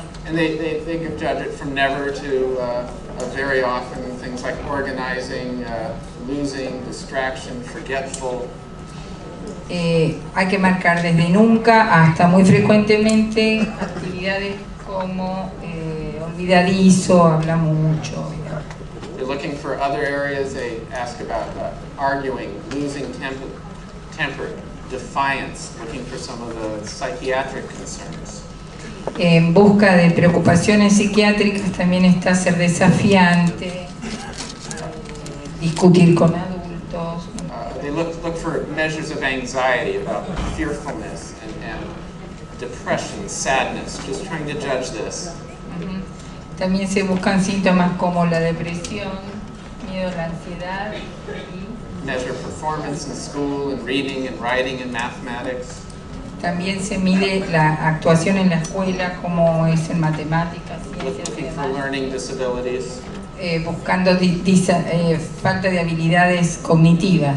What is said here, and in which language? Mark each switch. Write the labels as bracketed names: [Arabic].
[English] And they could judge it from never to very often, things like organizing, losing, distraction, forgetful. [Spanish] Hay que marcar desde nunca hasta muy frecuentemente actividades como olvidadizo, habla mucho. [English] They're looking for other areas. They ask about arguing, losing temper, defiance, looking for some of the psychiatric concerns. [Spanish] En busca de preocupaciones psiquiátricas también está ser desafiante, discutir con adultos. [English] They look for measures of anxiety, about fearfulness and depression, sadness, just trying to judge this. [Spanish] También se buscan síntomas como la depresión, miedo, la ansiedad. [English] Measure performance in school and reading and writing and mathematics. [Spanish] También se mide la actuación en la escuela, como es en matemáticas, ciencias, buscando falta de habilidades cognitivas,